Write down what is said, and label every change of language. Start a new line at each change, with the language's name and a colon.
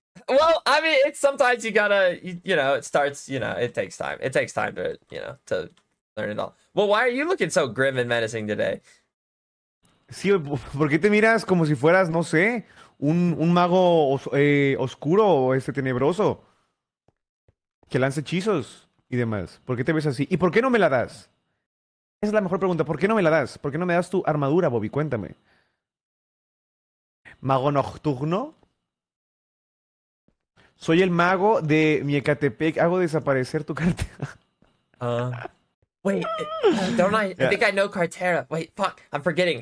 English: Well, I mean, it's sometimes you gotta, you know, it starts, you know, it takes time. It takes time to, you know, to learn it all. Well, why are you looking so grim and menacing today?
Spanish: Sí, ¿por qué te miras como si fueras, no sé, un mago oscuro o este tenebroso que lanza hechizos y demás? ¿Por qué te ves así? ¿Y por qué no me la das? Esa es la mejor pregunta. ¿Por qué no me la das? ¿Por qué no me das tu armadura, Bobby? Cuéntame. ¿Mago nocturno? Soy el mago de Miecatepec. Hago desaparecer tu cartera.
English: Wait, don't I? Yeah. I think I know Cartera. Wait, fuck, I'm forgetting.